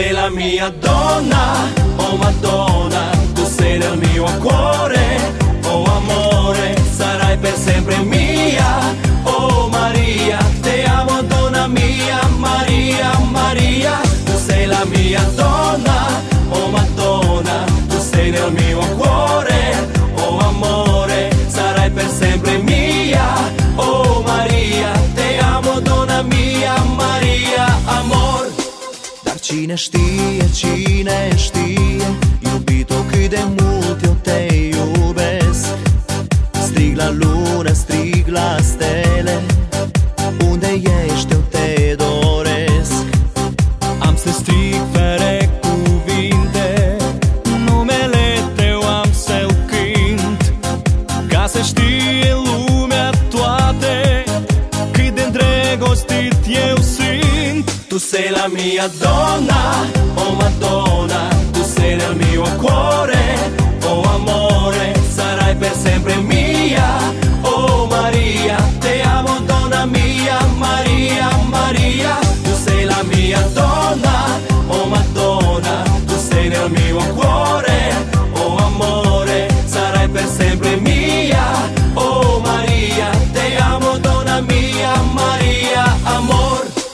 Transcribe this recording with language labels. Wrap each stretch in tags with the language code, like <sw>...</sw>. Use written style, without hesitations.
<it>mia donna, oh Madonna, tu sei nel mio cuore, oh amore, sarai per sempre mia, oh Maria, te amo donna mia, Maria, Maria, tu sei la mia donna, oh Madonna, tu sei nel mio cuore, oh amore, sarai per sempre mia, oh Maria, te amo donna mia, Maria, amor.</it> <ro>Dar cine știe, cine știe, iubito cât de mult eu te iubesc. Strig la lună, strig la stele, unde ești eu te doresc. Am să strig fere cuvinte, numele tău am să-l cânt, ca să știe lumea toate cât de îndrăgostit eu sunt.</ro> <it>Tu sei la mia donna, oh Madonna, tu sei nel mio cuore, oh amore, sarai per sempre mia, oh Maria, te amo donna mia, Maria, Maria, tu sei la mia donna, oh Madonna, tu sei nel mio cuore, oh amore, sarai per sempre mia, oh Maria, te amo donna mia, Maria, amor.</it>